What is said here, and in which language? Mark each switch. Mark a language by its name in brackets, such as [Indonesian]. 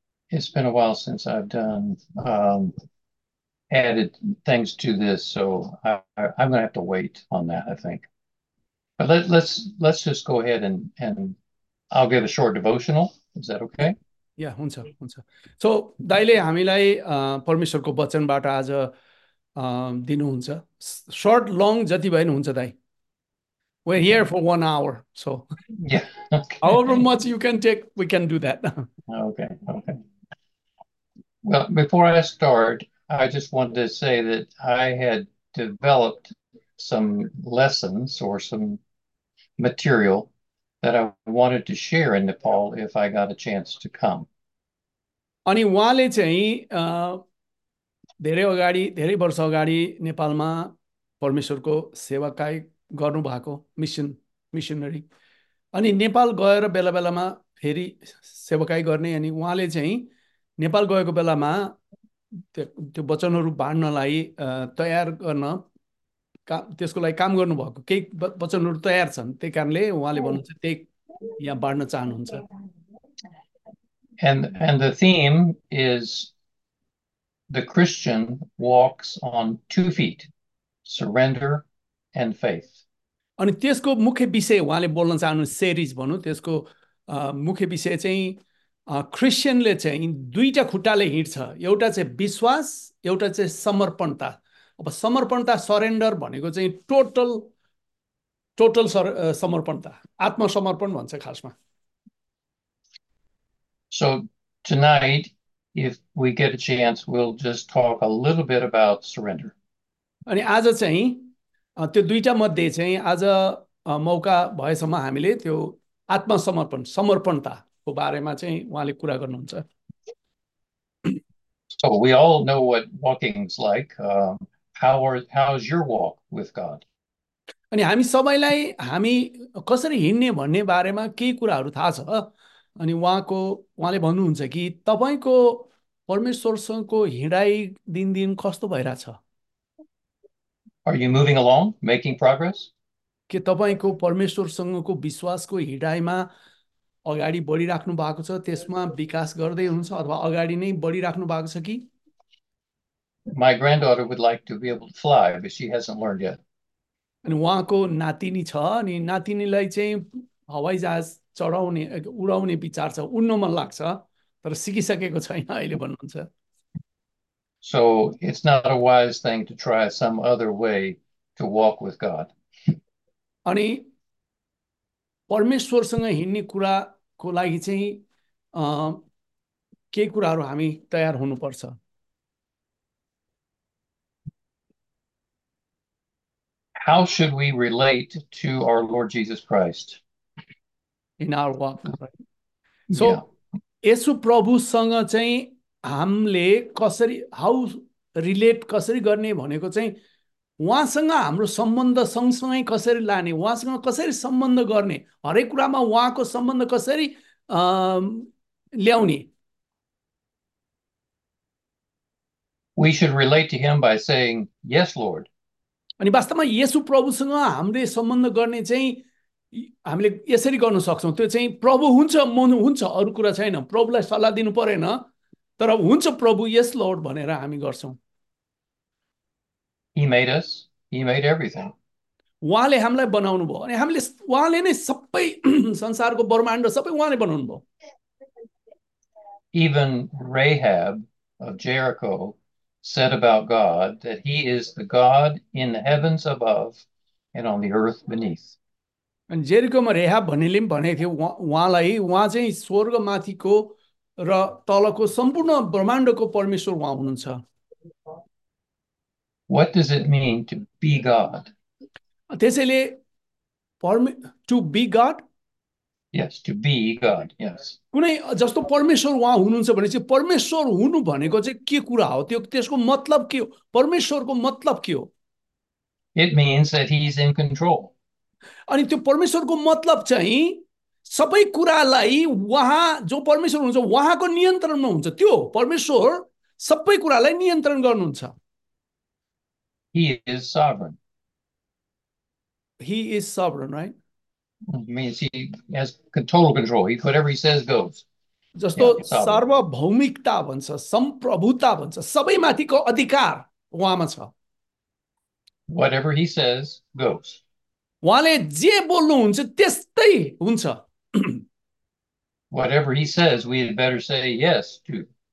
[English] It's been a while since I've done added things to this, so I'm gonna have to wait on that, I think. But let's just go ahead and I'll give a short devotional. Is that okay? [Nepali] या हुन्छ हुन्छ so दाइले हामीलाई परमेश्वरको वचनबाट आज दिनुहुन्छ short long जति भए पनि हुन्छ दाइ [English] We here for 1 hour so Yeah, however okay. Much you can take we can do that Okay. Well, before I start, I just wanted to say that I had developed some lessons or some material that I wanted to share in Nepal if I got a chance to come. [Nepali] अनि उहाँले चाहिँ धेरै अगाडि धेरै वर्ष अगाडि नेपालमा परमेश्वरको सेवाकाय गर्नुभएको मिसनरी अनि नेपाल गएर बेला बेलामा फेरि सेवाकाय गर्ने अनि उहाँले चाहिँ नेपाल गएको बेलामा त्यो वचनहरू बाँड्नलाई तयार गर्न काम त्यसको लागि काम गर्नुभएको केही वचनहरू तयार छन् त्यही कारणले उहाँले भन्नुहुन्छ त्यही यहाँ बाँड्न चाहनुहुन्छ [English] And the theme is the Christian walks on 2 feet, surrender and faith. [Nepali] अनि त्यसको मुख्य विषय उहाँले बोल्न चाहनु सेरिज भनौँ त्यसको मुख्य विषय चाहिँ क्रिस्चियनले चाहिँ दुईटा खुट्टाले हिँड्छ एउटा चाहिँ विश्वास एउटा चाहिँ समर्पणता अब समर्पणता सरेन्डर भनेको चाहिँ टोटल टोटल समर्पणता आत्मसमर्पण भन्छ खासमा [English] So tonight, if we get a chance, we'll just talk a little bit about surrender. [Nepali] अनि आज चाहिँ त्यो दुईटा मध्ये चाहिँ आज मौका भएसम्म हामीले त्यो आत्मसमर्पण समर्पणताको बारेमा चाहिँ उहाँले कुरा गर्नुहुन्छ [English] So we all know what walking's like. How's your walk with God? [Nepali] अनि हामी सबैलाई हामी कसरी हिँड्ने भन्ने बारेमा केही कुराहरू थाहा छ अनि उहाँले भन्नुहुन्छ कि तपाईँको परमेश्वरसँगको हिँडाइ दिनदिन कस्तो भइरहेछ [English] Are you moving along, making progress? [Nepali] के तपाईँको परमेश्वरसँगको विश्वासको हिँडाइमा अगाडि बढिराख्नु भएको छ त्यसमा विकास गर्दै हुनुहुन्छ अथवा अगाडि नै बढिराख्नु भएको छ कि [English] My granddaughter would like to be able to fly, but she hasn't learned yet. [Nepali] अनि उहाँको नातिनी छ अनि नातिनीलाई चाहिँ हवाइजहाज चढाउने उडाउने विचार छ उड्न मन लाग्छ तर सिकिसकेको छैन अहिले भन्नुहुन्छ [English] So it's not a wise thing to try some other way to walk with God. [Nepali] अनि परमेश्वरसँग हिँड्ने कुराको लागि चाहिँ केही कुराहरू हामी तयार हुनुपर्छ [English] How should we relate to our Lord Jesus Christ? In our work right Yeah. [Nepali] So यसु प्रभुसँग चाहिँ हामीले कसरी [English] how relate [Nepali] कसरी गर्ने भनेको चाहिँ उहाँसँग हाम्रो सम्बन्ध सँगसँगै कसरी लाने उहाँसँग कसरी सम्बन्ध गर्ने हरेक कुरामा उहाँको सम्बन्ध कसरी ल्याउने [English] We should relate to him by saying, Yes, Lord. [Nepali] अनि वास्तवमा येशु प्रभुसँग हामीले सम्बन्ध गर्ने चाहिँ हामीले यसरी गर्न सक्छौँ त्यो चाहिँ प्रभु हुन्छ मन हुन्छ अरू कुरा छैन प्रभुलाई सल्लाह दिनु परेन तर हुन्छ प्रभु [English] yes Lord [Nepali] भनेर हामी गर्छौँ [English] He made us, he made everything. [Nepali] उहाँले हामीलाई बनाउनु भयो अनि हामीले उहाँले नै सबै संसारको ब्रह्माण्ड सबै उहाँले बनाउनु भयो [English] Even Rahab of Jericho. Said about God that He is the God in the heavens above and on the earth beneath. [Nepali] अनि जेरिकोमा रेहाब भन्नेले पनि भनेको थियो उहाँलाई उहाँ चाहिँ स्वर्गमाथिको र तलको सम्पूर्ण ब्रह्माण्डको परमेश्वर उहाँ हुनुहुन्छ [English] What does it mean to be God? [Nepali] त्यसैले [English] To be God Yes, to be God, yes. [Nepali] कुनै जस्तो परमेश्वर उहाँ हुनुहुन्छ भने चाहिँ परमेश्वर हुनु भनेको चाहिँ के कुरा हो त्यो त्यसको मतलब के हो परमेश्वरको मतलब के हो [English] It means that he's in control. [Nepali] अनि त्यो परमेश्वरको मतलब चाहिँ सबै कुरालाई उहाँ जो परमेश्वर हुनुहुन्छ उहाँको नियन्त्रणमा हुन्छ त्यो परमेश्वर सबै कुरालाई नियन्त्रण गर्नुहुन्छ [English] He is sovereign. He is sovereign, right? Means he has total control. He whatever he says goes. Yeah, [Nepali] जस्तो [English] sovereign. [Nepali] सार्वभौमिकता भन्छ, संप्रभुता भन्छ, सबैमाथिको अधिकार उहाँमा छ। [English] Whatever he says goes. [Nepali] उहाँले जे बोल्नुहुन्छ त्यस्तै हुन्छ। [English] Whatever he says, we had better say yes to.